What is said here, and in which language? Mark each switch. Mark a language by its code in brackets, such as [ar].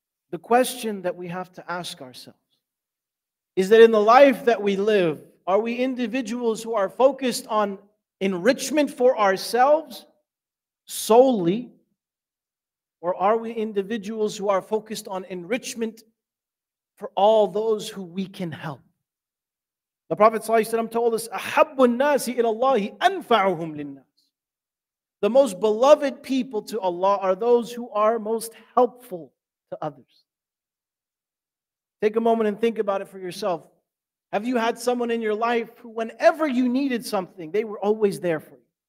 [en] The question that we have to ask ourselves is that in the life that we live, are we individuals who are focused on enrichment for ourselves solely, or are we individuals who are focused on enrichment for all those who we can help? The Prophet ﷺ told us, [ar] أَحَبُّ النَّاسِ إِلَى اللَّهِ أَنْفَعُهُمْ لِلنَّاسِ. [en] The most beloved people to Allah are those who are most helpful to others. Take a moment and think about it for yourself. Have you had someone in your life who, whenever you needed something, they were always there for you?